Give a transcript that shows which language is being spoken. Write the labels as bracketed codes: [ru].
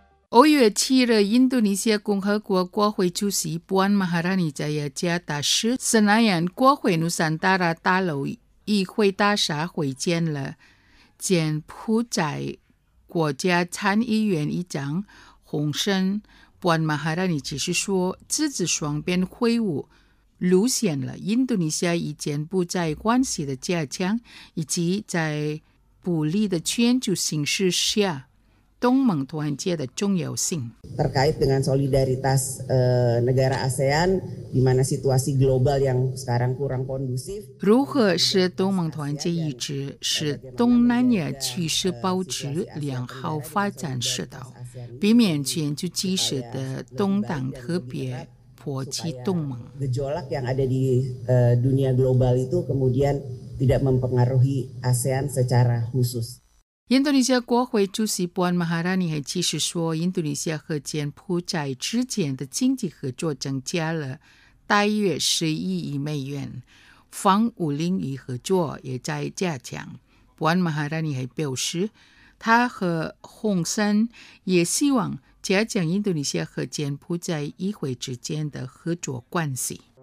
[zh] 5月7日，印度尼西亚共和国国会主席布安马哈拉尼在雅加达市森纳亚国会努桑达拉大楼议会大厦会见了柬埔寨国家参议院议长洪森。布安马哈拉尼只是说，这次双边会晤凸显了印度尼西亚与柬埔寨关系的加强，以及在不利的全球形势下东盟团结的重要性。 [id] terkait dengan solidaritas negara ASEAN, di mana situasi global yang sekarang kurang kondusif. [zh] 如何使东盟团结一致，使东南亚趋势保持良好发展势道，避免全球局势的动荡，特别波及东盟。 [id] gejolak yang ada di dunia global itu kemudian tidak mempengaruhi ASEAN secara khusus. [zh] 印度尼西亚国会主席波恩马哈拉尼还继续说，印度尼西亚和柬埔寨之间的经济合作增加了大约10亿美元，防武领域合作也在加强。波恩马哈拉尼还表示，他和洪森也希望加强印度尼西亚和柬埔寨议会之间的合作关系。